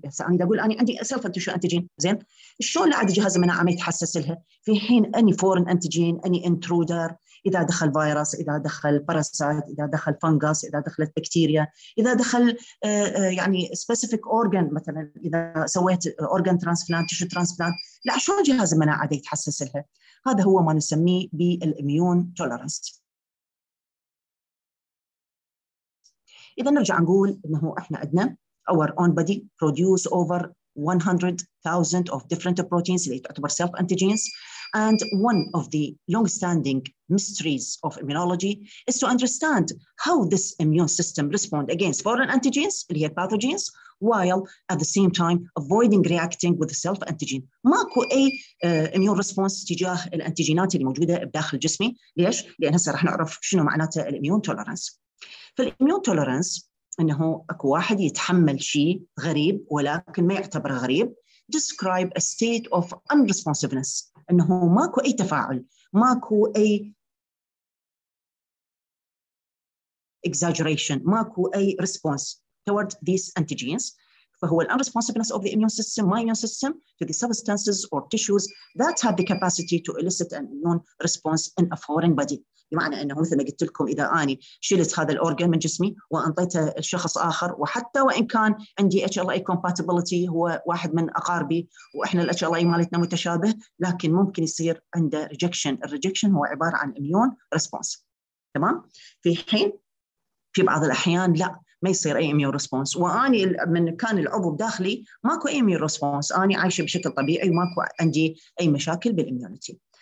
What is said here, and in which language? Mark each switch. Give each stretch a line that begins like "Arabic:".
Arabic: هسه انا اقول انا عندي سيلف انتيجين زين، شلون عاد جهاز المناعه ما يتحسس لها في حين اني فورن انتيجين، اني انترودر، إذا دخل فيروس، إذا دخل باراسايت، إذا دخل فنغس، إذا دخلت بكتيريا، إذا دخل يعني سبيسيفيك أورجان مثلا، إذا سويت أورجان ترانسبلانت، تشو ترانسبلانت، لا شلون جهاز المناعة يتحسس لها؟ هذا هو ما نسميه بالإميون تولرنس. إذا نرجع نقول أنه إحنا عندنا
English: our own body produce over 100,000 of different proteins
Arabic: اللي تعتبر
English: self antigens. And one of the long-standing mysteries of immunology is to understand how this immune system responds against foreign antigens,
Arabic: اللي هي
English: pathogens, while at the same time avoiding reacting with the self antigen.
Arabic: ماكو اي immune response تجاه الانتيجينات اللي موجوده بداخل جسمي، ليش؟ لان هسه راح نعرف شنو معناته الاميون تولرانس. فالاميون تولرانس انه اكو واحد يتحمل شيء غريب ولكن ما يعتبره غريب.
English: Describe a state of unresponsiveness.
Arabic: انه ماكو اي تفاعل، ماكو اي exaggeration، ماكو اي
English: response toward these antigens.
Arabic: فهو
English: the unresponsiveness of the immune system, my immune system, to the substances or tissues that have the capacity to elicit an immune response in a foreign body.
Arabic: بمعنى انه مثل ما قلت لكم اذا اني شلت هذا الاورجن من جسمي وانطيته لشخص اخر، وحتى وان كان عندي اتش ال اي كومباتيبلتي، هو واحد من اقاربي واحنا الاتش ال اي مالتنا متشابه، لكن ممكن يصير عنده ريجكشن. الريجكشن هو عباره عن اميون ريسبونس، تمام؟ في حين في بعض الاحيان لا ما يصير اي اميون ريسبونس، واني من كان العضو بداخلي ماكو اي اميون ريسبونس، اني عايشه بشكل طبيعي وماكو عندي اي مشاكل بالاميونتي.